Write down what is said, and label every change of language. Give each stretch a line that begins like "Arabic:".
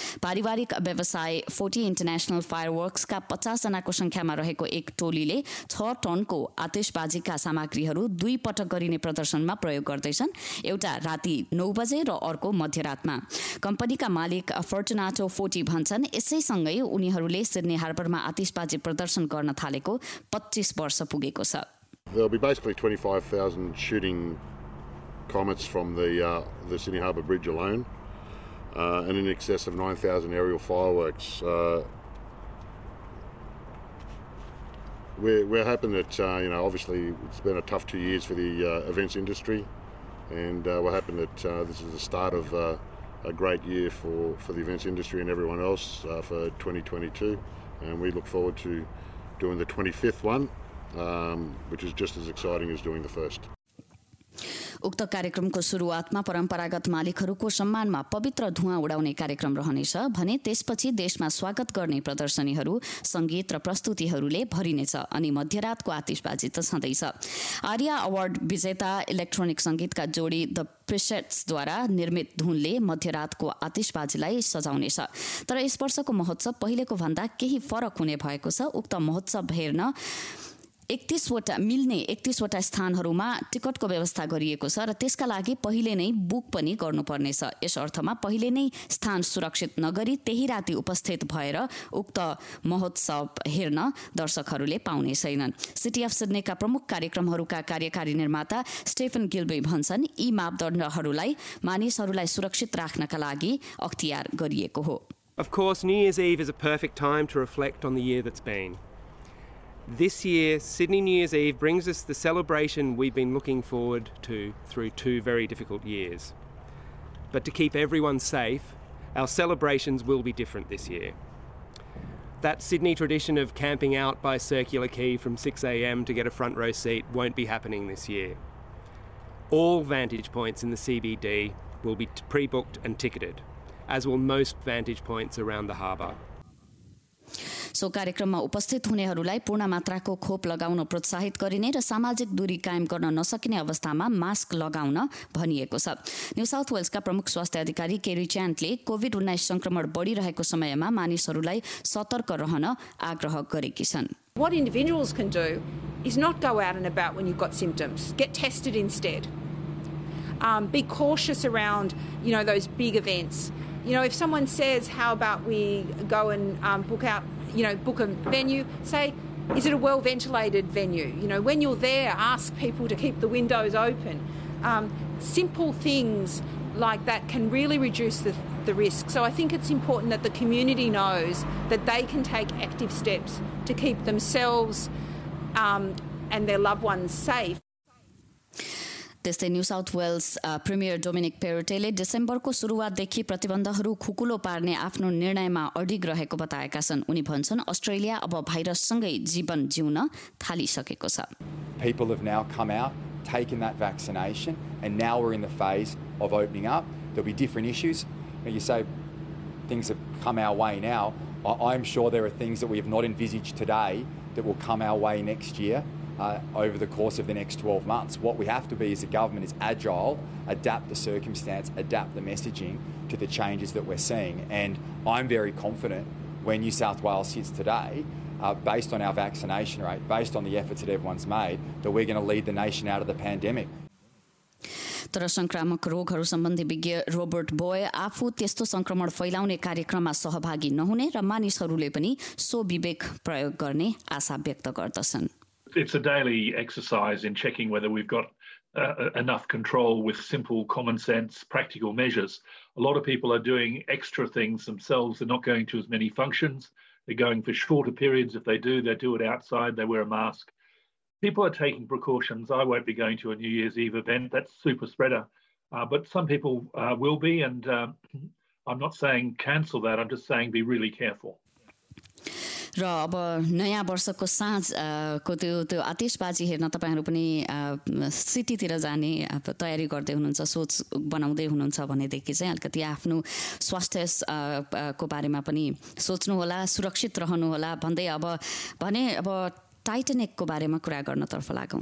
Nepali: पारिवारिक व्यवसाय 40 international fire वर्क्सका 50 संख्यामा रहेको एक टोलीले 6 टनको आतिशबाजीका सामग्रीहरू 2 पटक गरिने प्रदर्शनमा प्रयोग गर्दैछन्, एउटा राति 9 बजे र अर्को मध्यरातमा। कम्पनीका मालिक फर्टुनाटो फोर्टी भन्छन् यसैसँगै उनीहरूले सिडनी हार्बरमा आतिशबाजी प्रदर्शन गर्न थालेको 25 वर्ष पुगेको छ।
English: There'll be basically 25,000 shooting comets from the Sydney Harbour Bridge alone, and in excess of 9,000 aerial fireworks. We're hoping that obviously it's been a tough 2 years for the events industry, and we're hoping that this is the start of a great year for the events industry and everyone else for 2022, and we look forward to doing the 25th one, which is just as exciting as doing the first.
Nepali: उक्त कार्यक्रमको सुरुवातमा परम्परागत मालिकहरूको सम्मानमा पवित्र धुवा उडाउने कार्यक्रम रहनेछ भने त्यसपछि देशमा स्वागत गर्ने प्रदर्शनीहरू संगीत र प्रस्तुतिहरूले भरिनेछ अनि मध्यरातको आतिशबाजी त छँदैछ। आर्या अवार्ड विजेता इलेक्ट्रोनिक संगीतका जोडी द प्रिसेट्सद्वारा निर्मित धुनले मध्यरातको आतिशबाजीलाई सजाउनेछ। तर यस वर्षको महोत्सव पहिलेको भन्दा केही फरक हुने भएको छ। उक्त महोत्सव हेर्न 31 स्थानहरूमा टिकटको व्यवस्था गरिएको छ र त्यसका लागि पहिले नै बुक पनि गर्नुपर्नेछ। यस अर्थमा पहिले नै स्थान सुरक्षित नगरी त्यही राति उपस्थित भएर उक्त महोत्सव हेर्न दर्शकहरूले पाउने छैनन्। सिटी अफ सिडनीका प्रमुख कार्यक्रमहरूका कार्यकारी निर्माता स्टेफन गिल्बे भन्छन् यी मापदण्डहरूलाई मानिसहरूलाई सुरक्षित राख्नका लागि अख्तियार गरिएको हो।
English: Of course, New Year's Eve is a perfect time to reflect on the year that's been. This year, Sydney New Year's Eve brings us the celebration we've been looking forward to through 2 very difficult years. But to keep everyone safe, our celebrations will be different this year. That Sydney tradition of camping out by Circular Quay from 6 a.m. to get a front row seat won't be happening this year. All vantage points in the CBD will be pre-booked and ticketed, as will most vantage points around the harbour.
Nepali: So कार्यक्रममा उपस्थित हुनेहरूलाई पूर्ण मात्राको खोप लगाउन प्रोत्साहित गरिने र सामाजिक दूरी कायम गर्न नसकिने अवस्थामा मास्क लगाउन भनिएको छ। न्यू साउथ वेल्सका प्रमुख स्वास्थ्य अधिकारी केरी च्यान्टले कोभिड-19 संक्रमण बढिरहेको समयमा मानिसहरूलाई सतर्क रहन आग्रह गरेकी छन्।
English: What individuals can do is not go out and about when you've got symptoms. Get tested instead. Be cautious around, those big events. If someone says, how about we go and book a venue, say, is it a well-ventilated venue? When you're there, ask people to keep the windows open. Simple things like that can really reduce the risk. So I think it's important that the community knows that they can take active steps to keep themselves and their loved ones safe.
Nepali: त्यस्तै new south Wales premier Dominic Perrottet डिसेम्बरको सुरुवातदेखि प्रतिबन्धहरू खुकुलो पार्ने आफ्नो निर्णयमा अडिग रहेको बताएका छन्। उनी भन्छन् अस्ट्रेलिया अब भाइरससँगै जीवन जिउन थालिसकेको छ।
English: People have now come out, taken that vaccination, and now we're in the phase of opening up. There'll be different issues. You say things have come our way now. I'm sure there are things that we have not envisaged today that will come our way next year. Over the course of the next 12 months. What we have to be as a government is agile, adapt the circumstance, adapt the messaging to the changes that we're seeing. And I'm very confident where New South Wales sits today, based on our vaccination rate, based on the efforts that everyone's made, that we're going to lead the nation out of the pandemic.
Nepali: तर संक्रामक रोगहरू सम्बन्धी विज्ञ Robert boy आफू त्यस्तो संक्रमण फैलाउने कार्यक्रममा सहभागी नहुने र मानिसहरूले पनि सो विवेक प्रयोग गर्ने आशा व्यक्त गर्दछन्।
English: It's a daily exercise in checking whether we've got enough control with simple common sense practical measures. A lot of people are doing extra things themselves. They're not going to as many functions. They're going for shorter periods. If they do, they do it outside. They wear a mask. People are taking precautions. I won't be going to a New Year's Eve event. That's super spreader. But some people will be. And I'm not saying cancel that. I'm just saying be really careful.
Nepali: र अब नयाँ वर्षको साँझको त्यो आतिशबाजी हेर्न तपाईँहरू पनि सिटीतिर जाने तयारी गर्दै हुनुहुन्छ, सोच बनाउँदै हुनुहुन्छ भनेदेखि चाहिँ अलिकति आफ्नो स्वास्थ्य को बारेमा पनि सोच्नुहोला, सुरक्षित रहनुहोला भन्दै अब भने अब टाइटनिकको बारेमा कुरा गर्नतर्फ लागौँ।